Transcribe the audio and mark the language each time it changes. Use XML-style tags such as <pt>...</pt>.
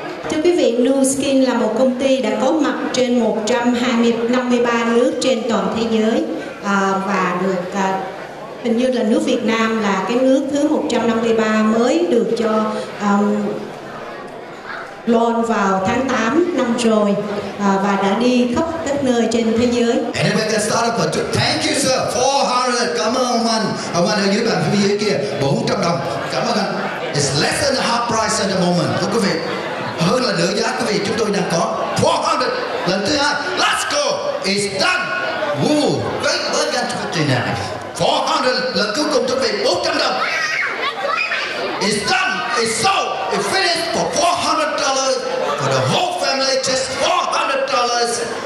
<vi>Thưa quý vị, Nu Skin là một công ty đã có mặt trên 153 nước trên toàn thế giới, và được hình như là nước Việt Nam là cái nước thứ 153 mới được cho loan vào tháng 8 năm rồi, và đã đi khắp các nơi trên thế giới.</vi> <en>And then we start up with, thank you sir, 400,</en> <vi>cảm ơn anh. Ông anh ở dưới bàn phía dưới kia, 400 đồng, cảm ơn anh.</vi> <en>It's less than the half price at the moment,</en> <vi>thưa quý vị. Hơn là nửa giá quý vị chúng tôi đang có. 400, lần thứ hai,</vi> <en>let's go, it's done. Woo, great work at 59.</en> <vi>400 là cuối cùng chuẩn bị 400 đồng.</vi> <en>It's done, it's sold, it's finished for $400 for the whole family, just $400.</en>